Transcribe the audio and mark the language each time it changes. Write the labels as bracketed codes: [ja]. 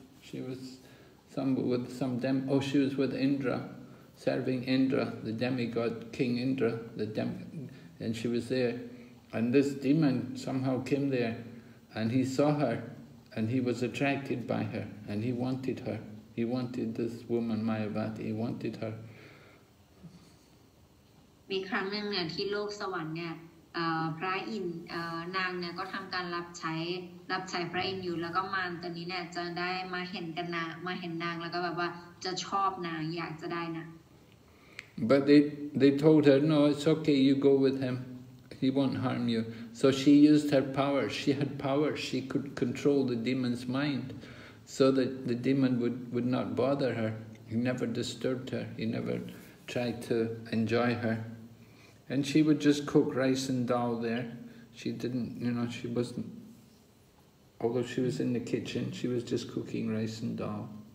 [en] She was she was with Indra, serving Indra, the demigod, King Indra, and she was there. And this demon somehow came there, and he saw her, and he was attracted by her, and he wanted her. He wanted this woman, Mayavati, he wanted her. [th] มีครั้งหนึ่งเนี่ยที่โลกสวรรค์เนี่ยพระอินนางเนี่ยก็ทำการรับใช้พระอินทร์อยู่แล้วก็มารตัวนี้เนี่ยจะได้มาเห็นกันนางมาเห็นนางแล้วก็แบบว่าจะชอบนางอยากจะได้นาง [en] But they told her no it's okay you go with him he won't harm you so she used her power she had power she could control the demon's mind so that the demon would not bother her he never disturbed her he never tried to enjoy her and she would just cook rice and dal there she didn't you know she wasn'tAlthough she was in the kitchen, she was just cooking rice and dal.